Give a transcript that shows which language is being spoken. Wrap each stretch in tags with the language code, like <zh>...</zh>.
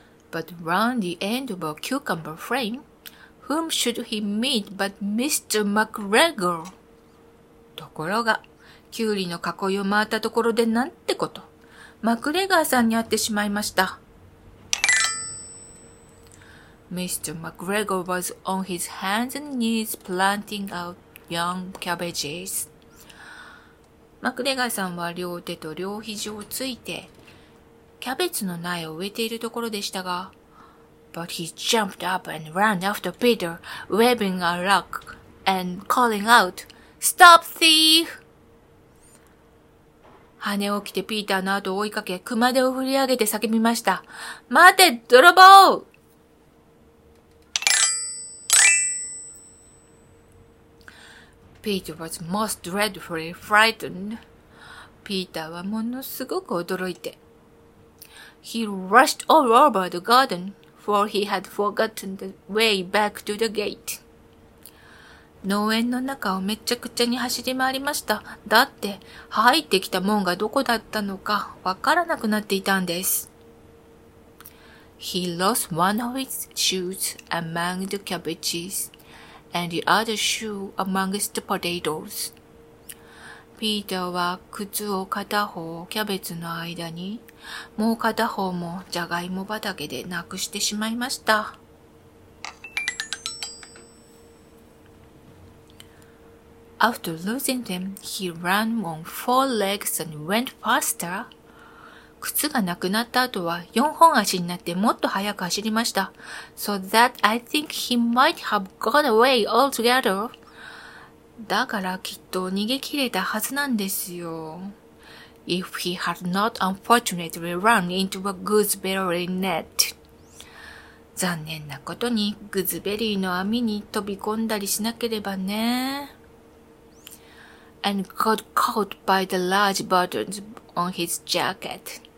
<en>But round the end of a cucumber frame, whom should he meet but Mr. McGregor?</en> <ja>ところが、キュウリの囲いを回ったところでなんてこと、マクレガーさんに会ってしまいました。</ja> <en>Mr. McGregor was on his hands and knees planting out young cabbages.</en> <ja>マクレガーさんは両手と両肘をついて、キャベツの苗を植えているところでしたが、</ja> <en>But he jumped up and ran after Peter, waving a rock and calling out, Stop thief!</en> <ja>羽を着てピーターの後を追いかけ、熊手を振り上げて叫びました。待て、泥棒!</ja> <en>Peter was most dreadfully frightened.</en> <ja>Peter はものすごく驚いて。</ja> <en>He rushed all over the garden, for he had forgotten the way back to the gate.</en> <ja>農園の中をめちゃくちゃに走り回りました。だって、入ってきた門がどこだったのかわからなくなっていたんです。</ja> <en>He lost one of his shoes among the cabbages. And the other shoe amongst the potatoes.</en> <ja>ピーターは靴を片方キャベツの間に、もう片方もジャガイモ畑でなくしてしまいました。</ja> <en>After losing them, he ran on four legs and went faster.</en> <ja>靴がなくなった後は四本足になってもっと速く走りました。</ja> <en>So that I think he might have got away altogether.</en> <ja>だからきっと逃げ切れたはずなんですよ。</ja> <en>if he had not unfortunately run into a gooseberry net.</en> <ja>残念なことにグズベリーの網に飛び込んだりしなければね。</ja> <en>And got caught by the large buttons on his jacket.</en>